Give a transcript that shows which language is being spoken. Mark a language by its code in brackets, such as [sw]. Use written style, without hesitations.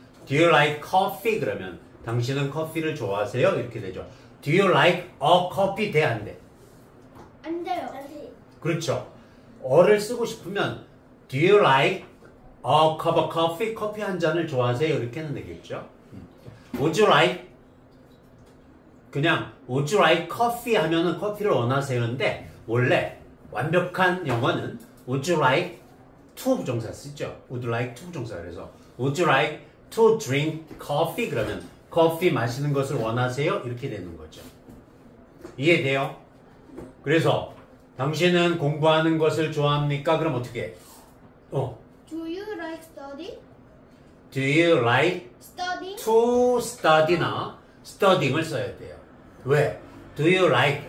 [en] Do you like coffee? [ko] 그러면 당신은 커피를 좋아하세요? 이렇게 되죠. [en] Do you like a coffee? [ko] 돼, 안 돼? 안 돼요. 그렇죠. 어를 쓰고 싶으면 [en] Do you like a cup of coffee? [ko] 커피 한 잔을 좋아하세요? 이렇게는 되겠죠. [en] Would you like [ko] 그냥 [en] Would you like coffee? [ko] 하면은 커피를 원하세요인데 원래 완벽한 영어는 [en] Would you like to [ko] 부정사 쓰죠. [en] Would you like to [ko] 부정사 그래서 [en] Would you like to drink coffee? [ko] 그러면 커피 마시는 것을 원하세요? 이렇게 되는 거죠. 이해돼요? 그래서 당신은 공부하는 것을 좋아합니까? 그럼 어떻게? [en] 어. Do you like study? Do you like study? [ko] To study나 studying을 써야 돼요. 왜? [en] Do you like?